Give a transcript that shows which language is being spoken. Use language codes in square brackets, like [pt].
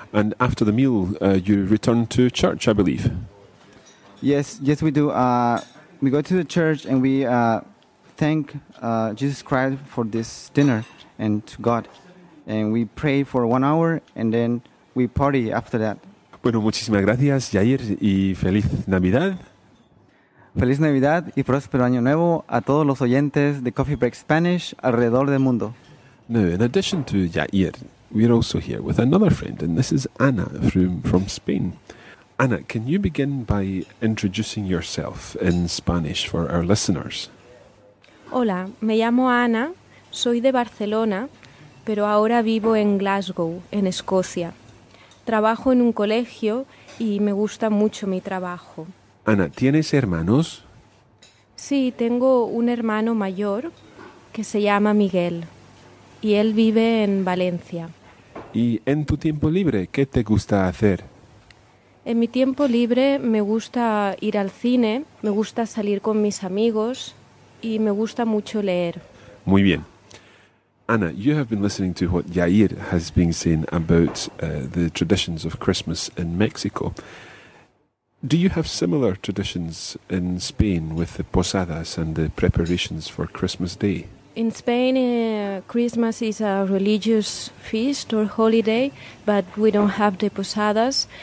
[en] And after the meal, you return to church, I believe. Yes, we do. We go to the church, and we thank Jesus Christ for this dinner and to God. And we pray for 1 hour, and then we party after that. [es] Bueno, muchísimas gracias, Yair, y feliz Navidad. Feliz Navidad y próspero año nuevo a todos los oyentes de Coffee Break Spanish alrededor del mundo. [en] Now, in addition to Yair, we're also here with another friend, and this is Anna from Spain. Anna, can you begin by introducing yourself in Spanish for our listeners? [es] Hola, me llamo Ana, soy de Barcelona, pero ahora vivo en Glasgow, en Escocia. Trabajo en un colegio y me gusta mucho mi trabajo. Ana, ¿tienes hermanos? Sí, tengo un hermano mayor que se llama Miguel y él vive en Valencia. ¿Y en tu tiempo libre qué te gusta hacer? En mi tiempo libre me gusta ir al cine, me gusta salir con mis amigos y me gusta mucho leer. Muy bien. [en] Ana, you have been listening to what Yair has been saying about the traditions of Christmas in Mexico. Do you have similar traditions in Spain with the posadas and the preparations for Christmas Day? In Spain, Christmas is a religious feast or holiday, but we don't have the posadas.